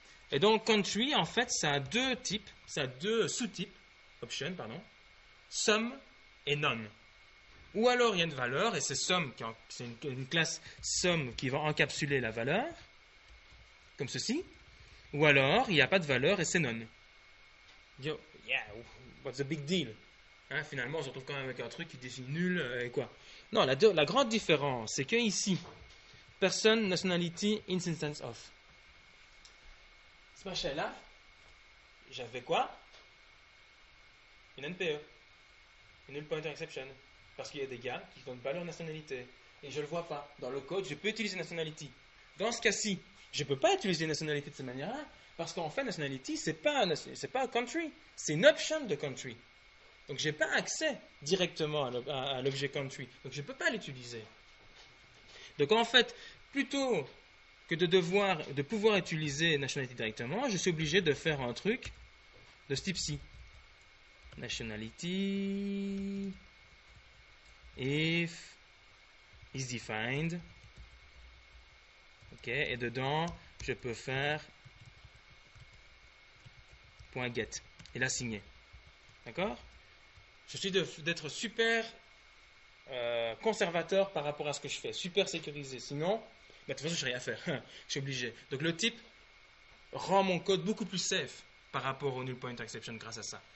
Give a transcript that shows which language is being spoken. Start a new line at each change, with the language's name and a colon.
French: Et donc, country, en fait, ça a deux types. Ça a deux sous-types. Option, pardon. Sum et none. Ou alors, il y a une valeur, et c'est sum, c'est une classe sum qui va encapsuler la valeur. Comme ceci. Ou alors, il n'y a pas de valeur et c'est none.
English: Yo, yeah, what's the big deal?
French: Hein, finalement, on se retrouve quand même avec un truc qui définit nul et quoi. Non, la grande différence, c'est que ici, person, nationality, instance of. Ce machin-là, j'avais quoi? Une NPE. Une null pointer exception. Parce qu'il y a des gars qui ne donnent pas leur nationalité. Et je ne le vois pas. Dans le code, je peux utiliser nationality. Dans ce cas-ci, je ne peux pas utiliser nationality de cette manière-là. Parce qu'en fait, nationality, c'est pas un country. C'est une option de country. Donc, je n'ai pas accès directement à l'objet country. Donc, je ne peux pas l'utiliser. Donc, en fait, plutôt que de pouvoir utiliser nationality directement, je suis obligé de faire un truc de ce type-ci.
English: Nationality if is defined.
French: OK. Et dedans, je peux faire .get et la signer. D'accord ? Je suis d'être super conservateur par rapport à ce que je fais, super sécurisé. Sinon, de toute façon, je n'ai rien à faire. Je suis obligé. Donc, le type rend mon code beaucoup plus safe par rapport au null pointer exception grâce à ça.